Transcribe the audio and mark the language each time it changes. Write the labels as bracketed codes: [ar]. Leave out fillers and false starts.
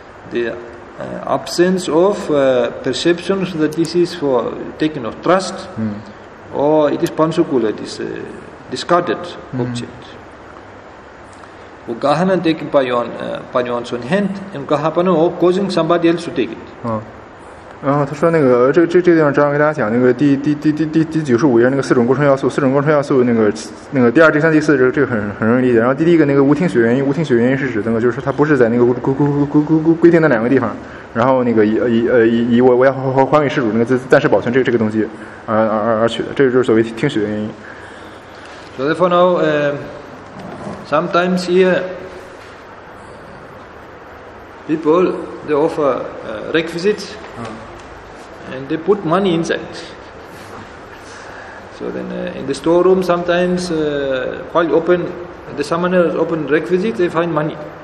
[en] The absence of perception that this is for taking of trust, or it is pansukula, it is a discarded object. Ugahana taking by your own hand, and gahapano, causing somebody else to take it. Oh. [zh] 然后他说那个这地方张给大家讲那个第九十五页那个四种构成要素，四种构成要素那个第二第三第四这个很容易理解。然后第一个那个无听血原因，无听血原因是指那个就是它不是在那个规定的两个地方，然后那个以我要还给事主那个暂时保存这个东西而取的，这个就是所谓听血原因。 [en] So therefore now, sometimes here people they offer requisites. And they put money inside. So then in the storeroom sometimes while open, the summoner open requisite, they find money.